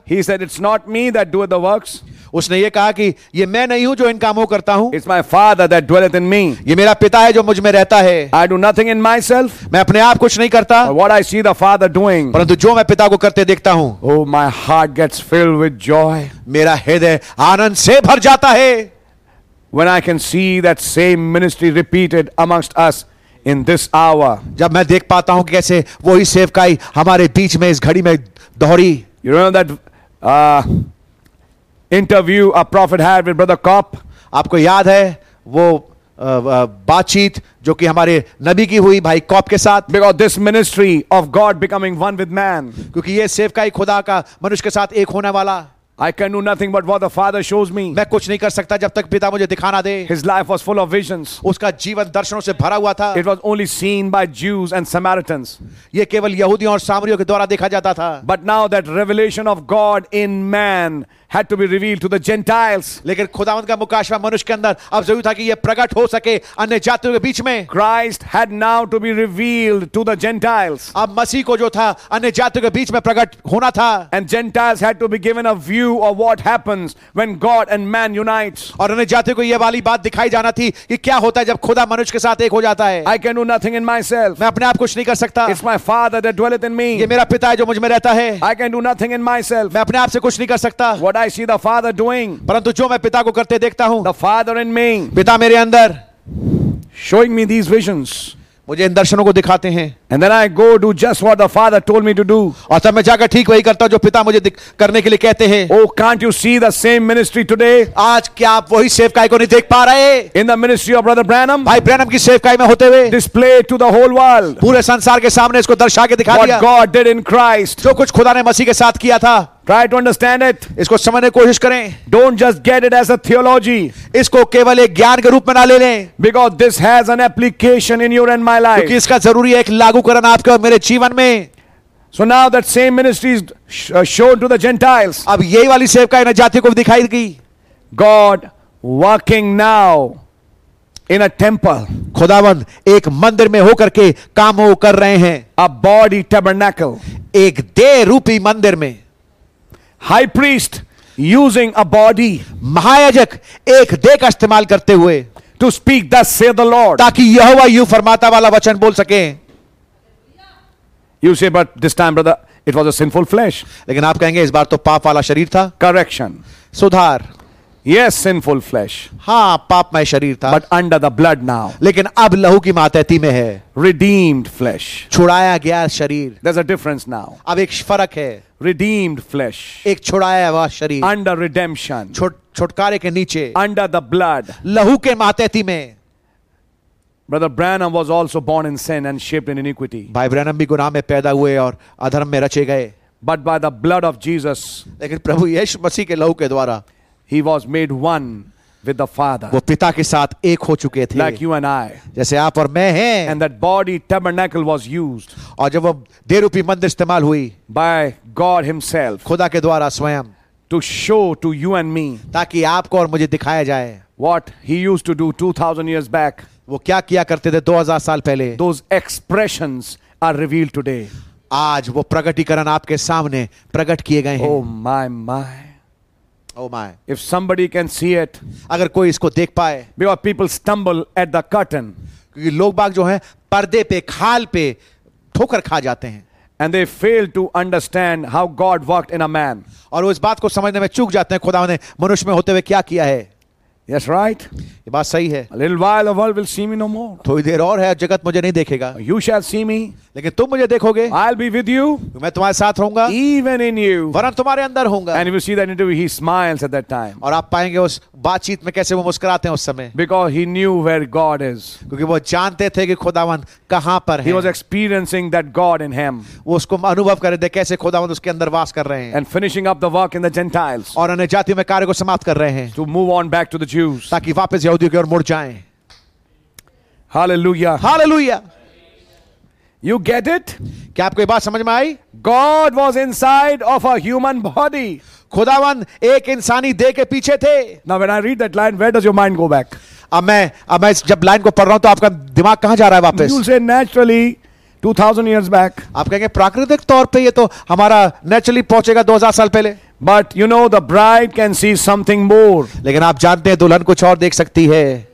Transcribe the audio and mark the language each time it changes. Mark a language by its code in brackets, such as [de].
[en] He said, it's not me that do the works. [hi] उसने ये कहा कि ये मैं नहीं हूं जो इन कामों करता हूं. [en] It's my father that dwelleth in me. [hi] ये मेरा पिता है जो मुझ में रहता है. [en] I do nothing in myself. [hi] मैं अपने आप कुछ नहीं करता. [en] But what I see the father doing. [hi] परंतु जो मैं पिता को करते देखता हूं. [en] Oh, my heart gets filled with joy. [hi] मेरा हृदय आनंद से भर जाता है. [en] When I can see that same ministry repeated amongst us. In this hour, [hi] जब मैं देख पाता हूं कि कैसे वही सेवकाई हमारे बीच में इस घड़ी में दोहरी. [en] You remember that interview a prophet had with Brother Kopp? [hi] आपको याद है वो बातचीत जो कि हमारे नबी की हुई भाई कॉप के साथ? [en] Because this ministry of God becoming one with man. [hi] क्योंकि ये सेवकाई खुदा का मनुष्य के साथ एक होने वाला. [en] I can do nothing but what the Father shows me. [hi] मैं कुछ नहीं कर सकता जब तक पिता मुझे दिखाना दे. [en] His life was full of visions. [hi] उसका जीवन दर्शनों से भरा हुआ था. [en] It was only seen by Jews and Samaritans. [hi] ये केवल यहूदियों और सामरियों के द्वारा देखा जाता था. [en] But now that revelation of God in man had to be revealed to the Gentiles. [hi] लेकिन खुदावंद का मुकाशवा मनुष्य के अंदर अब जरूरी था कि ये प्रकट हो सके अन्य जातियों के बीच में. [en] Christ had now to be revealed to the Gentiles. [hi] अब मसीह को जो था अन्य जातियों के बीच में प्रकट होना था. [en] And Gentiles had to be given a view of what happens when God and man unites. [hi] और अन्य जातियों को ये वाली बात दिखाई जाना थी कि क्या होता है जब खुदा मनुष्य के साथ एक हो जाता है. [en] I can do nothing in myself. [hi] मैं अपने आप कुछ नहीं कर सकता. [en] It's my Father that dwelleth in me. [hi] ये मेरा पिता है जो मुझ में रहता है. [en] I can do nothing in myself. [hi] मैं अपने आप से कुछ नहीं कर सकता. [en] What I see the Father doing. [hi] परंतु जो मैं पिता को करते देखता हूं. [en] The Father in me. [hi] पिता मेरे अंदर. [en] Showing me these visions. [hi] मुझे इन दर्शनों को दिखाते हैं. [en] And then I go do just what the Father told me to do. [hi] और तब मैं जाकर ठीक वही करता हूं जो पिता मुझे करने के लिए कहते हैं. [en] Oh, can't you see the same ministry today? [hi] आज क्या आप वही सेवकाई को नहीं देख पा रहे? [en] In the ministry of Brother Branham. [hi] भाई ब्रैनम की सेवकाई में होते हुए. [en] Display to the whole world. [hi] पूरे संसार के सामने इसको दर्शा के दिखा दिया. [en] What God did in Christ. [hi] जो कुछ खुदा ने मसीह के साथ किया था. [en] Try to understand it. [hi] इसको समझने की कोशिश करें. [en] Don't just get it as a theology. [hi] इसको केवल एक ज्ञान के रूप में ना ले लें. [en] Because this has an application in your and my life. [hi] क्योंकि इसका जरूरी है एक लागूकरण आपके और मेरे जीवन में. [en] So now that same ministry is shown to the Gentiles. [hi] अब यही वाली सेवकाई ने जाति को दिखाई गई. [en] God working now in a temple. [hi] खुदावंद एक मंदिर में होकर के काम हो कर रहे हैं. [en] A body tabernacle. [hi] एक देह रूपी मंदिर में. [en] High priest using a body. [hi] महायाजक एक देह का इस्तेमाल करते हुए. [en] To speak thus say the Lord. [hi] ताकि यहोवा यूं फरमाता वाला वचन बोल सके. [en] You say, but this time, brother, it was a sinful flesh. [hi] लेकिन आप कहेंगे इस बार तो पाप वाला शरीर था. [en] Correction. [hi] सुधार. [en] Yes, sinful flesh. [hi] हाँ, पापमय शरीर था. [en] But under the blood now. [hi] लेकिन अब लहू की मातहती में है. [en] Redeemed flesh. [hi] छुड़ाया गया शरीर. [en] There's a difference now. [hi] अब एक फर्क है. [en] Redeemed flesh. [hi] एक छुड़ाया हुआ शरीर. [en] Under redemption. [hi] छुटकारे के नीचे. [en] Under the blood. [hi] लहू के मातहती में. [en] Brother Branham was also born in sin and shaped in iniquity. [hi] भाई ब्रैनम भी गुनाह में पैदा हुए और अधर्म में रचे गए. [en] But by the blood of Jesus. [hi] लेकिन प्रभु यीशु मसीह के लहू के द्वारा. [en] He was made one with the Father. [hi] वो पिता के साथ एक हो चुके थे. [en] Like you and I. [hi] जैसे आप और मैं हैं. [en] And that body tabernacle was used. [hi] और जब वो देहरूपी मंदिर इस्तेमाल हुई. [en] By God Himself. [hi] खुदा के द्वारा स्वयं. [en] To show to you and me. [hi] ताकि आपको और मुझे दिखाया जाए. [en] What He used to do 2000 years back. [hi] वो क्या किया करते थे 2000 साल पहले. [en] Those expressions are revealed today. [hi] आज वो प्रकटीकरण आपके सामने प्रकट किए गए हैं. [en] Oh my my. Oh my. If somebody can see it. [hi] अगर कोई इसको देख पाए. [en] Because people stumble at the curtain. [hi] क्योंकि लोग बाग जो हैं पर्दे पे खाल पे ठोकर खा जाते हैं. [en] And they fail to understand how God worked in a man. [hi] और वो इस बात को समझने में चूक जाते हैं खुदा ने मनुष्य में होते हुए क्या किया है. [en] Yes, right. [hi] ये बात सही है. [en] A little while the world will see me no more. [hi] थोड़ी देर और है जगत मुझे नहीं देखेगा. [en] You shall see me. [hi] लेकिन तुम मुझे देखोगे. [en] I'll be with you. [hi] मैं तुम्हारे साथ रहूंगा. [en] Even in you. [hi] वरन तुम्हारे अंदर होऊंगा. [en] And if you see that interview, he smiles at that time. [hi] और आप पाएंगे उस बातचीत में कैसे वो मुस्कुराते हैं उस समय. [en] Because he knew where God is. [hi] क्योंकि वो जानते थे कि खुदावंद कहां पर है. [en] He was experiencing that God in him. [hi] वो उसको अनुभव कर रहे थे कैसे खुदावंद उसके अंदर वास कर रहे हैं. [en] And finishing up the work in the Gentiles. [hi] और अन्य जातियों में कार्य को समाप्त कर रहे हैं. [en] To move on back to the Jews. [hi] ताकि वापस यहूदियों की ओर मुड़ जाएं. Hallelujah. Hallelujah. [en] You get it? [hi] क्या आपको ये बात समझ में आई? [en] God was inside of a human body. [hi] खुदावंद एक इंसानी देह के पीछे थे. [en] Now when I read that line, where does your mind go back? [hi] अब मैं जब लाइन को पढ़ रहा हूं तो आपका दिमाग कहां जा रहा है वापस? [en] You say naturally 2000 years back. [hi] आप कहेंगे प्राकृतिक तौर पे ये तो हमारा naturally पहुंचेगा 2000 साल पहले. [en] But you know the bride can see something more. [hi] लेकिन आप जानते हैं दुल्हन कुछ और देख सकती है.